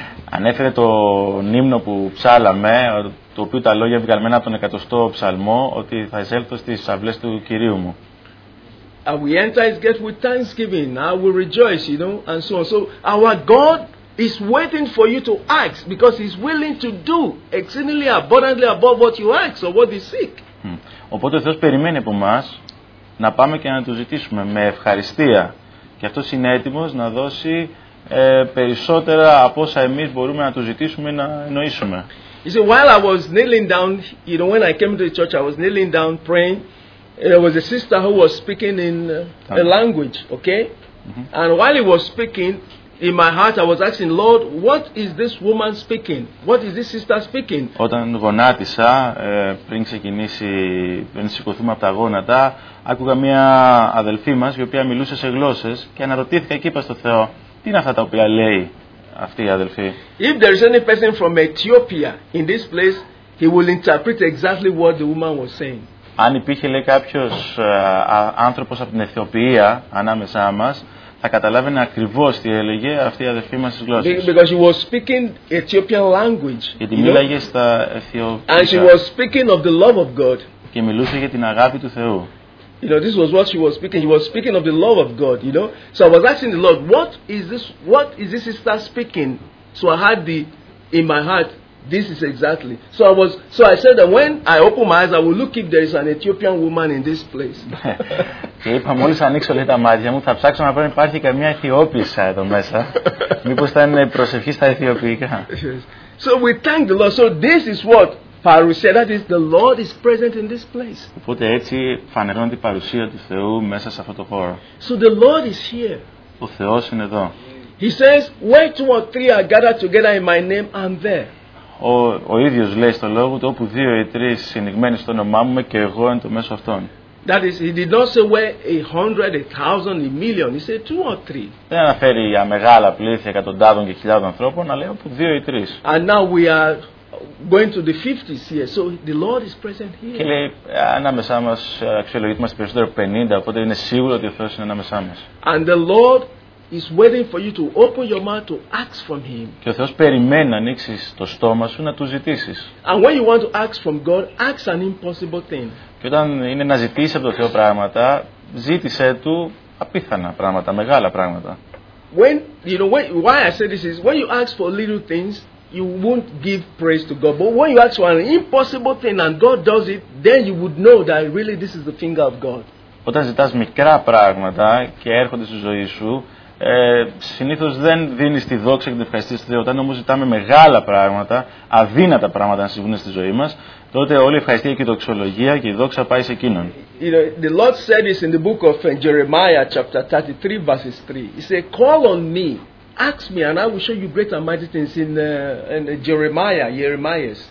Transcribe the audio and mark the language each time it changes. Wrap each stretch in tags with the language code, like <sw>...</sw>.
<el>Ανέφερε το ύμνο που ψάλαμε, το οποίο τα λόγια βγαλμένα από τον 100ο ψαλμό, ότι θα εισέλθω στις αυλές του Κυρίου μου.</el> <en>I will enter his gates with thanksgiving. I will rejoice, you know, and so on. So our God is waiting for you to ask because he's willing to do exceedingly abundantly above what you ask or what you seek.</en> <el>Οπότε ο Θεός περιμένει από μας να πάμε και να του ζητήσουμε με ευχαριστία. Και αυτός είναι έτοιμος να δώσει περισσότερα από όσα εμείς μπορούμε να του ζητήσουμε ή να εννοήσουμε.</el> <en>You see, while I was kneeling down, you know, when I came to the church, I was kneeling down praying. There was a sister who was speaking in a language, okay? Mm-hmm. And while he was speaking, in my heart I was asking, Lord, what is this woman speaking? What is this sister speaking?</en> <el>Όταν γονάτισα, πριν ξεκινήσει, πριν σηκωθούμε από τα γόνατα, άκουγα μια αδελφή μας, η οποία μιλούσε σε γλώσσες, και αναρωτήθηκα εκεί, είπα στο Θεό, τι είναι αυτά τα οποία λέει αυτή η αδελφή.</el> <en>If there is any person from Ethiopia in this place, he will interpret exactly what the woman was saying.</en> <el>Αν υπήρχε, λέει, κάποιος άνθρωπος από την Αιθιοπία ανάμεσά μας, θα καταλάβαινε ακριβώς τι έλεγε αυτή η αδελφή μας στις γλώσσες.</el> <en>Because she was speaking Ethiopian language.</en> <el>Γιατί μίλαγε στα Αιθιοπικά.</el> <en>And she was speaking of the love of God.</en> <el>Και μιλούσε για την αγάπη του Θεού.</el> <en>You know, this was what she was speaking. She was speaking of the love of God, you know. So I was asking the Lord, what is this sister speaking? So I had in my heart, this is exactly. So I said that when I open my eyes, I will look if there is an Ethiopian woman in this place.</en> <el>Και είπα, μόλις ανοίξω λέει τα μάτια μου, θα ψάξω να πω αν υπάρχει καμία Αιθιόπισσα εδώ μέσα. Μήπως θα είναι προσευχή στα Αιθιοπικά.</el> <en>So we thank the Lord. So this is what parousia. That is, the Lord is present in this place.</en> <el>Οπότε έτσι φανερώνει η παρουσία του Θεού μέσα σε αυτό το χώρο.</el> <en>So the Lord is here.</en> <el>Ο Θεός είναι εδώ.</el> <en>He says, where two or three are gathered together in my name, I'm there.</en> <el>Ο ίδιος λέει στο λόγο του, όπου δύο ή τρεις συνηγμένοι στο όνομά μου, και εγώ εν το μέσο αυτών.</el> <en>That is, he did not say where 100, 1,000, 1,000,000. He said two or three.</en> <el>Δεν αναφέρει για μεγάλα πλήθη εκατοντάδων και χιλιάδων ανθρώπων, αλλά όπου δύο ή τρεις.</el> <en>And now we are going to the 50s here, so the Lord is present here.</en> <el>Και λέει, ανάμεσά μας, αξιολογείται, είμαστε περισσότερο 50, οπότε είναι σίγουρο ότι ο Θεός είναι ανάμεσά μας.</el> <en>And the Lord is waiting for you to open your mouth to ask from him.</en> <el>Και ο Θεός περιμένει να ανοίξεις το στόμα σου να του ζητήσεις.</el> <en>And when you want to ask from God, ask an impossible thing.</en> <el>Και όταν είναι να ζητήσεις από το Θεό πράγματα, ζήτησε του απίθανα πράγματα, μεγάλα πράγματα.</el> <en>When you know why I say this is, when you ask for little things, you won't give praise to God. But when you ask for an impossible thing and God does it, then you would know that really this is the finger of God.</en> <el>Όταν ζητάς μικρά πράγματα και έρχονται στη ζωή σου, συνήθως δεν δίνεις τη δόξα και την ευχαριστήση του Θεού. Όταν όμως ζητάμε μεγάλα πράγματα, αδύνατα πράγματα να συμβούν στη ζωή μας, τότε όλη η ευχαριστία και η δοξολογία και η δόξα πάει σε εκείνον.</el> <en>You know, the Lord said this in the book of Jeremiah chapter 33 verses 3. He said, call on me, ask me and I will show you great and mighty things in Jeremiah, Jeremiah's.</en>